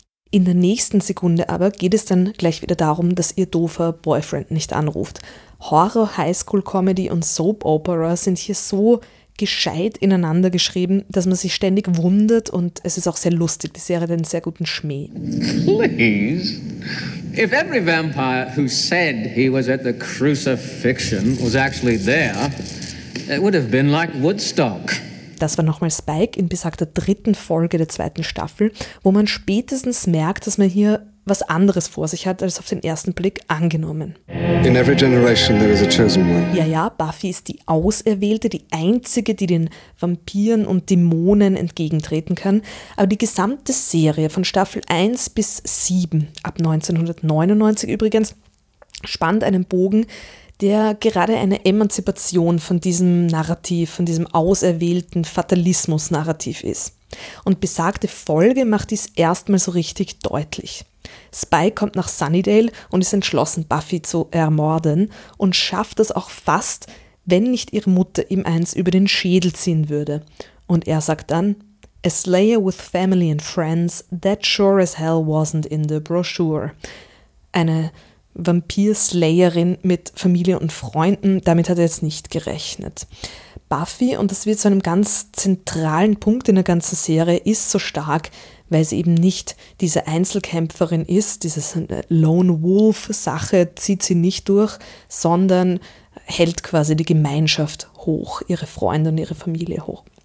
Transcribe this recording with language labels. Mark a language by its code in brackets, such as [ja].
[de] In der nächsten Sekunde aber geht es dann gleich wieder darum, dass ihr doofer Boyfriend nicht anruft. Horror, Highschool-Comedy und Soap-Opera sind hier so gescheit ineinander geschrieben, dass man sich ständig wundert und es ist auch sehr lustig. Die Serie hat einen sehr guten Schmäh. [en] Please. If every vampire who said he was at the crucifixion was actually there, it would have been like Woodstock. [de] Das war nochmal Spike in besagter dritten Folge der zweiten Staffel, wo man spätestens merkt, dass man hier was anderes vor sich hat, als auf den ersten Blick angenommen. [en] In every generation there is a chosen one. [de] Ja, Buffy ist die Auserwählte, die Einzige, die den Vampiren und Dämonen entgegentreten kann. Aber die gesamte Serie von Staffel 1 bis 7, ab 1999 übrigens, spannt einen Bogen, der gerade eine Emanzipation von diesem Narrativ, von diesem auserwählten Fatalismus-Narrativ ist. Und besagte Folge macht dies erstmal so richtig deutlich. Spike kommt nach Sunnydale und ist entschlossen, Buffy zu ermorden und schafft das auch fast, wenn nicht ihre Mutter ihm eins über den Schädel ziehen würde. Und er sagt dann, [en] a slayer with family and friends, that sure as hell wasn't in the brochure. [de] Eine Vampir-Slayerin mit Familie und Freunden, damit hat er jetzt nicht gerechnet. Buffy, und das wird zu einem ganz zentralen Punkt in der ganzen Serie, ist so stark, weil sie eben nicht diese Einzelkämpferin ist, diese Lone-Wolf-Sache zieht sie nicht durch, sondern hält quasi die Gemeinschaft hoch, ihre Freunde und ihre Familie hoch.